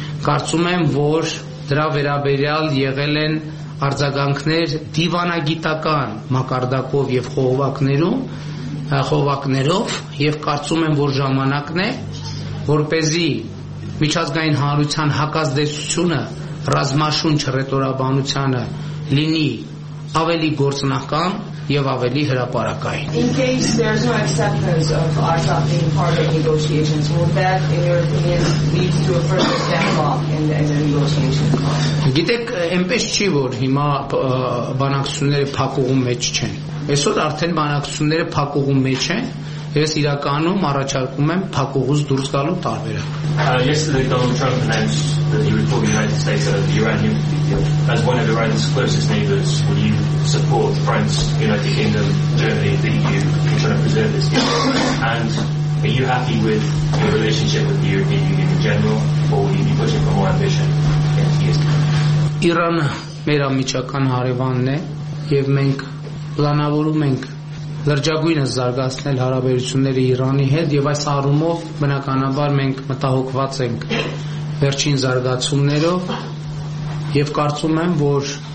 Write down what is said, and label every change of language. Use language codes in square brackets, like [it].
[hy] կարծում եմ, որ դրա վերաբերյալ եղել են արձագանքներ դիվանագիտական մակարդակով և խողովակներով, և կարծում եմ, որ ժամանակն է, որպեսզի միջազգային հանրության հակազդեցությունը ռազմաշունչ ռետորաբանությանը լինի ավելի գործնական և ավելի հրապարակային։ [en] In case there's no acceptance of Artsakh being part of negotiations, will that, in your opinion, lead to a further deadlock in the negotiations? [hy] Գիտեք, այնպես չի, որ հիմա բանակցությունները փակուղու մեջ չեն։ Այսօր արդեն բանակցությունները փակուղու մեջ են, ես իրականում առաջարկում եմ փակուղուց դուրս գալու տարբերակ։ [en] Yes, the Donald Trump announced that he would call the United States out of the uranium deal. As one of Iran's closest neighbors, will you support France, United Kingdom, Germany, the EU in trying to preserve this deal? And are you happy with your relationship with the European Union in general, or will you be pushing for more ambition in the years to come? [hy] Իրան մեր ամիջական հարևանն է, և մենք պլանավորում ենք լրջագույնը զարգացնել հարաբերությունները Իրանի հետ, և այս առումով բնականաբար մենք մտահոգված ենք վերջին զարգացումներով, և կարծում եմ, որ